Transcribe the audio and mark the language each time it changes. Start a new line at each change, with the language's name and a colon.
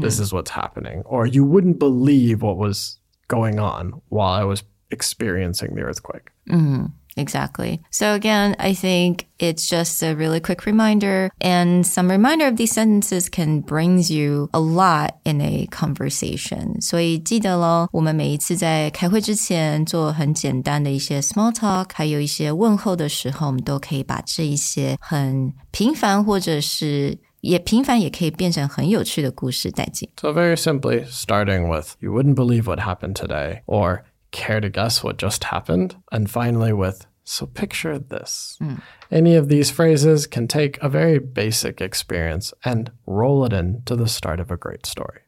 English: This is what's happening. Or you wouldn't believe what was going on while I was experiencing the earthquake. Mm-hmm. Exactly. So again, I think it's just a really quick reminder. And some reminder of these sentences can bring you a lot in a conversation.
Chinese: 所以记得咯，我们每一次在开会之前做很简单的一些
English: small talk,
Chinese: 还有一些问候的时候，我们都可以把这一些很平凡或者是也平凡也可以变成很有趣的故事带进。
English: So very simply, starting with, you wouldn't believe what happened today, or care to guess what just happened, and finally with, so picture this. Any of these phrases can take a very basic experience and roll it into the start of a great story.